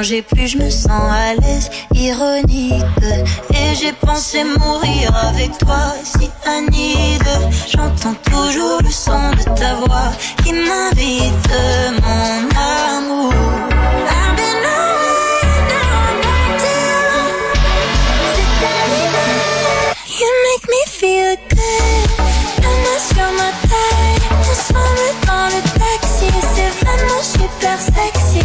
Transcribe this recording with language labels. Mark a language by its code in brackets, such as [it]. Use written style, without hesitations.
[fr] Plus je me sens à l'aise, ironique. Et j'ai pensé mourir avec toi, cyanide. J'entends toujours le son de ta voix qui m'invite, mon amour. [en] I've been away, now I'm back to you. [fr] C'est [en] you make me feel good. [fr] La main sur ma taille, on s'en va dans le taxi. C'est vraiment super sexy.